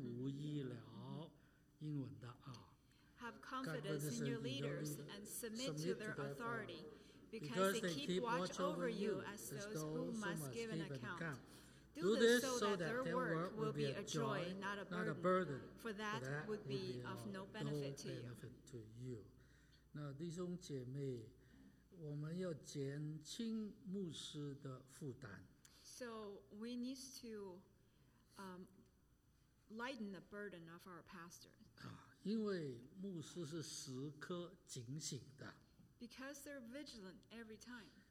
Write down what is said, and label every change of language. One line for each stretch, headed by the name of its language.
Chinese: 请大家一起念。你们要依从哪些引导你们的，且要顺服，因他们为你们的灵魂时刻警醒，好像拿将来交账的人。你们要与他们交的时候有快乐，不要忧愁，若忧愁，就与你们无益了。英文的啊。
English: Have confidence in your leaders and submit to their authority because they keep watch over you as those who must give an account. Do this so that their work will be a joy, not a burden, for that would be of no benefit to you.
Chinese: 那弟兄姐妹，我们要减轻牧师的负担。
English: So we need to lighten the burden of our pastor.
Chinese: 因为牧师是时刻警醒的。
English: Because they're vigilant every time.